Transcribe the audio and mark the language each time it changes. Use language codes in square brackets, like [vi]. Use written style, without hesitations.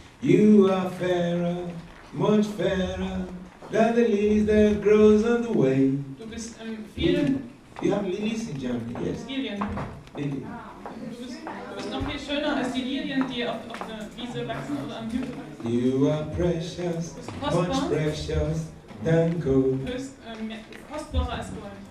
[en] You are fairer, much fairer than the lilies that grows on the way. [de] Du bist vielen. [en] You have lilies in Germany, yes. [de] Lilien. Lilien. Du bist noch viel schöner als die Lilien, die auf der Wiese wachsen oder am Hügel wachsen. [en] You are precious, much precious than gold. [de] Du bist kostbarer als Gold.